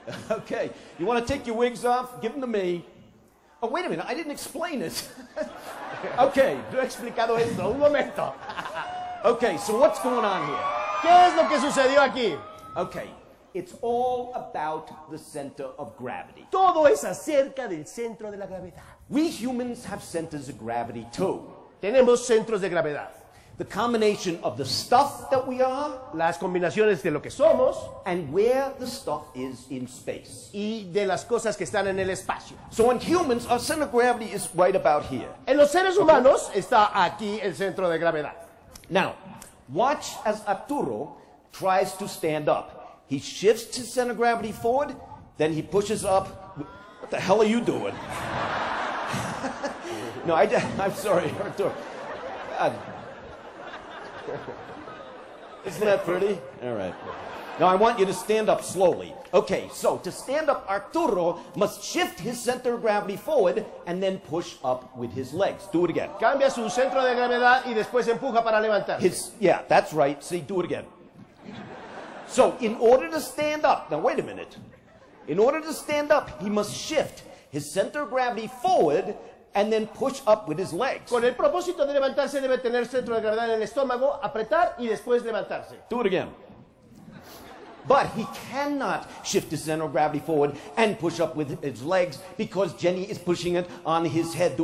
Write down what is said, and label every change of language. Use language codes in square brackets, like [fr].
[en] Okay, you want to take your wigs off? Give them to me. Oh, wait a minute, I didn't explain it. Okay. [es] No he explicado esto, un momento. [en] Okay, so what's going on here? [es] ¿Qué es lo que sucedió aquí? [en] Okay, it's all about the center of gravity. [es] Todo es acerca del centro de la gravedad. [en] We humans have centers of gravity too. [es] Tenemos centros de gravedad. [en] The combination of the stuff that we are, [es] las combinaciones de lo que somos, [en] and where the stuff is in space, [es] y de las cosas que están en el espacio. [en] So in humans, our center of gravity is right about here. [es] En los seres humanos está aquí el centro de gravedad. [en] Now, watch as Arturo tries to stand up. He shifts his center of gravity forward, then he pushes up. What the hell are you doing? No, I'm sorry, Arturo. Isn't that pretty? All right. Now, I want you to stand up slowly. Okay, so to stand up, Arturo must shift his center of gravity forward and then push up with his legs. Do it again. [es] Cambia su centro de gravedad y después empuja para levantarse. [en] Yeah, that's right. See, do it again. So, in order to stand up, now wait a minute. In order to stand up, he must shift his center of gravity forward and then push up with his legs. [es] Con el propósito de levantarse, debe tener centro de gravedad en el estómago, apretar y después levantarse. [en] Do it again. But he cannot shift his center of gravity forward and push up with his legs because Jenny is pushing it on his head.